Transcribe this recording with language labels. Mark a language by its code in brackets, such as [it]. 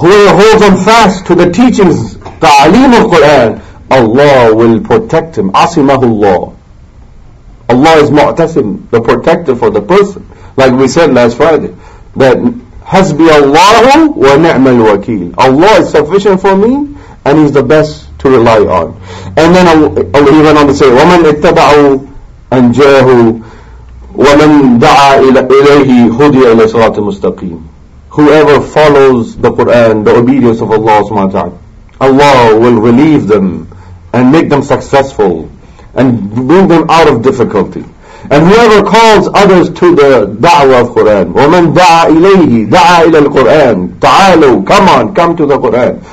[en] Whoever holds on fast to the teachings, ta'aleem of Quran, Allah will protect him. [ar] عَسِمَهُ اللَّهُ. [en] Allah is mu'tasim, the protector for the person. Like we said last Friday, that [ar] حَسْبِ اللَّهُ وَنِعْمَ الْوَكِيلُ. [en] Allah is sufficient for me, and He's the best to rely on. And then Allah even on to say, [ar] وَمَنْ اتَّبَعُوا أَنْجَاهُ وَمَنْ دَعَى إِلَيْهِ هُدِيَ إِلَى صِرَاطٍ مُسْتَقِيمٍ. [en] Whoever follows the Qur'an, the obedience of Allah subhanahu wa ta'ala, Allah will relieve them and make them successful and bring them out of difficulty. And whoever calls others to the da'wah of Qur'an, [ar] وَمَنْ دَعَى إِلَيْهِ دَعَى إِلَى الْقُرْآنِ تَعَالُوا, [en] come on, come to the Qur'an.